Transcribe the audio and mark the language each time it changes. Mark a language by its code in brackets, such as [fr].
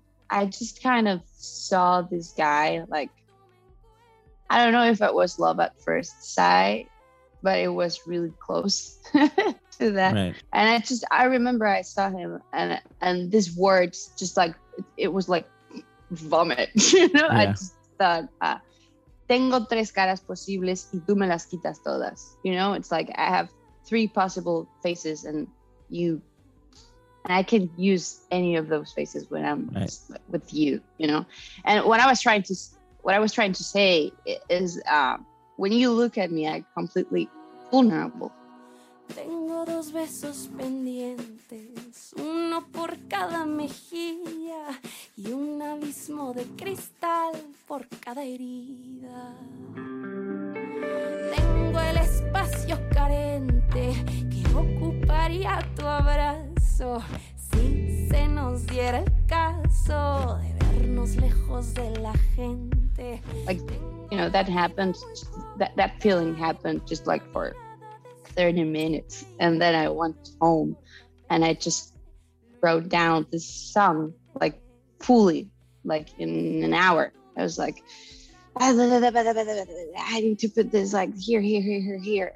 [en] I just kind of saw this guy, like... I don't know if it was love at first sight, but it was really close to that. Right. And I remember I saw him and these words just like, it was like vomit, you know? Yeah. I just thought, [es] tengo tres caras posibles y tú me las quitas todas. [en] You know, it's like, I have three possible faces and I can use any of those faces when I'm with you, you know? And what I was trying to say is, when you look at me, I'm completely vulnerable. [es] Tengo dos besos pendientes, uno por cada mejilla, y un abismo de cristal por cada herida. Tengo el espacio carente que ocuparía tu abrazo si se nos diera el caso de vernos lejos de la gente. [en] Like, you know, that happened, that feeling happened just like for 30 minutes. And then I went home and I just wrote down this song, like fully, like in an hour. I was like, I need to put this like here.